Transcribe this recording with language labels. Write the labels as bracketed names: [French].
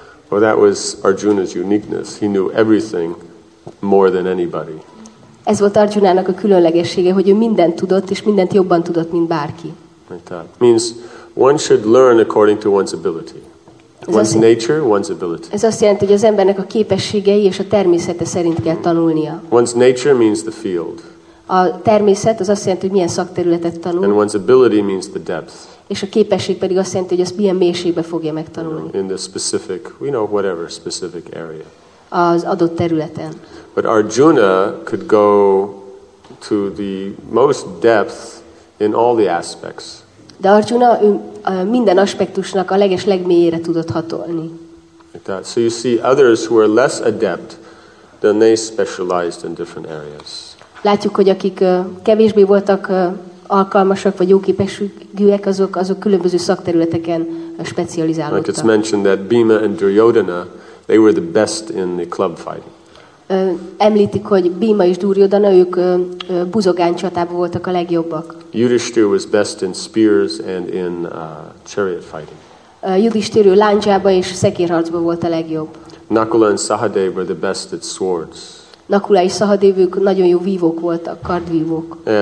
[English] Well, that was Arjuna's uniqueness. He knew everything more than anybody. [Hungarian] Ez volt Arjunának a különlegessége, hogy ő mindent tudott, és mindent jobban tudott, mint bárki. [English] Means one should learn according to one's ability. One's nature, one's ability. [Hungarian] Ez azt jelenti, hogy az embernek a képességei és a természete szerint kell tanulnia. [English] One's nature means the field. [Hungarian] A természet az azt jelenti, hogy milyen szakterületet tanul. [English] And one's ability means the depth. [Hungarian] És a képesség pedig azt jelenti, hogy azt milyen mélységbe fogja megtanulni. [English] In the specific, we know whatever specific area. [Hungarian] Az adott területen. [English] But Arjuna could go to the most depth in all the aspects. [Hungarian] De Arjuna minden aspektusnak a leges legmélyére tudott hatolni. [English] So you see others who are less adept, then they specialized in different areas. [Hungarian] Látjuk, hogy akik kevésbé voltak alkalmasak vagy jóképességűek, azok különböző szakterületeken specializálódtak. [English] Like it's mentioned that Bhima and Duryodhana, they were the best in the club fighting. [Hungarian] Említik, hogy Bhima és Duryodhana, ők buzogány csatában voltak a legjobbak. [English] Yudhishthir was best in spears and in chariot fighting. [Hungarian] Yudhishthir láncsába és szekérharcba volt a legjobb. [English] Nakula and Sahadeva were the best at swords. [Hungarian] Nakula és Sahadev, ők nagyon jó vívók voltak, kardvívók.